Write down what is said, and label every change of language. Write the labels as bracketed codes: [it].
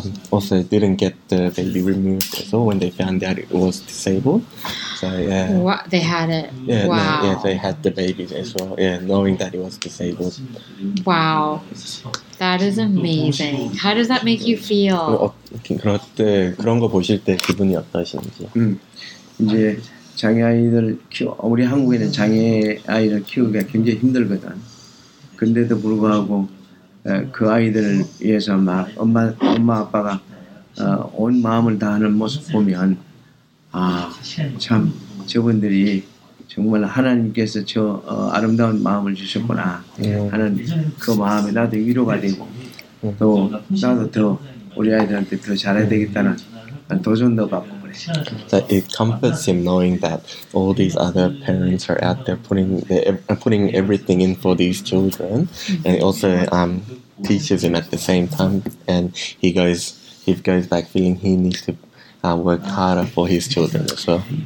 [en] Also, it didn't get the baby removed. So when they found out it was disabled, so yeah. What they had it? Yeah, wow. No, yeah, they had the baby as well. Yeah, knowing that it was disabled. Wow, that is amazing. How does that make you feel? [ko] 그런 거 보실 때 기분이 어떠신지. 이제 장애 아이들 키워 우리 한국에는 장애 아이를 키우기가 굉장히 힘들거든. 근데도 불구하고 그 아이들을 위해서 막 엄마 아빠가 온 마음을 다하는 모습 보면 아 참 저분들이 정말 하나님께서 저 아름다운 마음을 주셨구나 하는 그 마음에 나도 위로가 되고 또 나도 더 우리 아이들한테 더 잘해야 되겠다는 도전도 받고 그래. [en] That it comforts him knowing that all these other parents are out there putting everything in for these children, and also teaches him at the same time, and he goes back feeling he needs to work harder for his children as well.